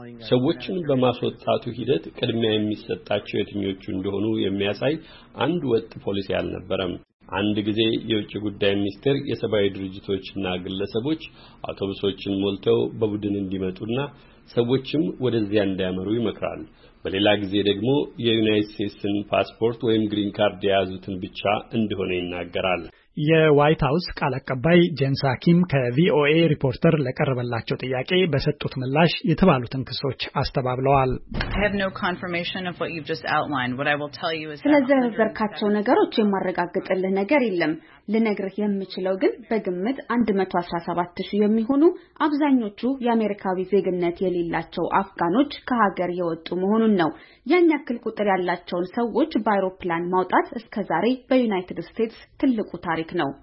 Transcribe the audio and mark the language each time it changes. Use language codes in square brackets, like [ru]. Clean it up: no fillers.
[am] ሰዎችን በማስወጣቱ ሂደት ቅድሚያ የሚሰጣቸው የትኞቹ እንደሆኑ የሚያሳይ አንድ ወጥ ፖሊሲ አልነበረም። አንድ ጊዜ የውጭ ጉዳይ ሚኒስቴር የሰብአዊ ድርጅቶችና ግለሰቦች አውቶቡሶችን ሞልተው በቡድን እንዲመጡና ሰዎችም ወደዚያ እንዲያመሩ ይመክራል። በሌላ ጊዜ ደግሞ የዩናይትድ ስቴትስን ፓስፖርት ወይም ግሪን ካርድ የያዙትን ብቻ እንደሆነ ይናገራል። የዋይት ሃውስ ቃል አቀባይ ጄን ሳኪም ከቪኦኤ ሪፖርተር ለቀረበላቸው ጥያቄ በሰጡት ምላሽ የተባሉትን ክሶች አስተባብለዋል። [en] I have no confirmation of what you've just outlined. What I will tell you is [am] ስለዚህ ዘርካቸው ነገሮች የማረጋግጥልህ ነገር የለም። ለነገርህ የምችለው ግን በግምት 117,000 የሚሆኑ አብዛኞቹ የአሜሪካዊ ዜግነት የሌላቸው አፍጋኖች ከሀገር የወጡ መሆኑን ነው። ያን ያክል ቁጥር ያላቸውን ሰዎች በአይሮፕላን ማውጣት እስከዛሬ በዩናይትድ ስቴትስ ትልቁ ታሪክ ነው።